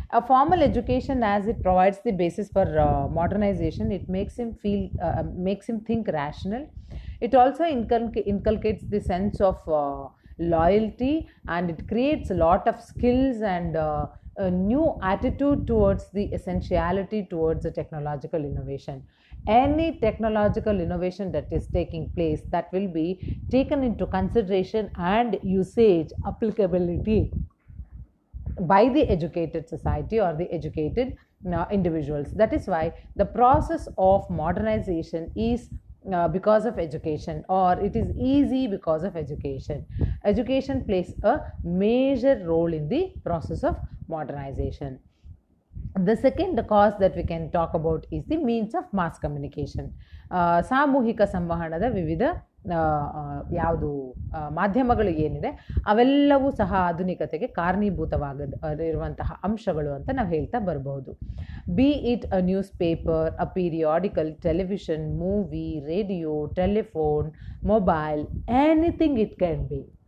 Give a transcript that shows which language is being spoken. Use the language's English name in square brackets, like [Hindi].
[English] Formal education as it provides the basis for modernisation, it makes him feel makes him think rational. It also inculcates the sense of loyalty and it creates lot of skills and new attitude towards the essentiality towards the technological innovation. Any technological innovation that is taking place, that will be taken into consideration and usage applicability by the educated society or the educated individuals. That is why the process of modernization is because of education, or it is easy because of education. Education plays a major role in the process of modernization. The second cause that we can talk about is the means of mass communication. [Kannada] ಸಾಮೂಹಿಕ ಸಂವಹನದ ವಿವಿಧ ಯಾವುದು ಮಾಧ್ಯಮಗಳು ಏನಿದೆ ಅವೆಲ್ಲವೂ ಸಹ ಆಧುನಿಕತೆಗೆ ಕಾರಣೀಭೂತವಾಗದ ಇರುವಂತಹ ಅಂಶಗಳು ಅಂತ ನಾವು ಹೇಳ್ತಾ ಬರ್ಬೋದು. [English] Be it a newspaper, a periodical, television, movie, radio, telephone, mobile, anything it can be.